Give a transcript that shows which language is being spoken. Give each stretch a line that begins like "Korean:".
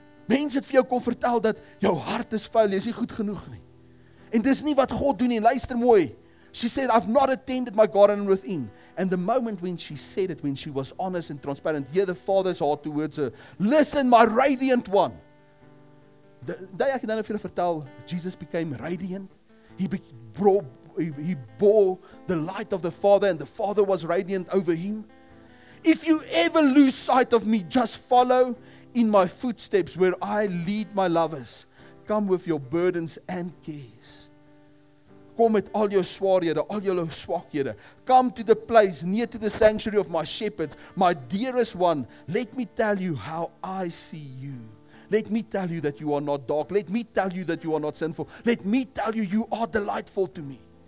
Afrikaans: Mense het vir jou kom vertel dat jou hart is vuil, jy is nie goed genoeg nie. En dis nie wat God doen nie, luister mooi.
English: She said, I've not attended my garden within. And the moment when she said it, when she was honest and transparent, hear the Father's heart towards her. Listen, my radiant one.
Afrikaans: Daai ek het nou vir julle vertel,
English: Jesus became radiant. He bore the light of the Father, and the Father was radiant over him. If you ever lose sight of me, just follow in my footsteps where I lead my lovers. Come with your burdens and cares.
Afrikaans: Kom met al jou swaarhede, al jou swakhede.
English: Come to the place near to the sanctuary of my shepherds, my dearest one. Let me tell you how I see you. Let me tell you that you are not dark. Let me tell you that you are not sinful. Let me tell you you are delightful to me.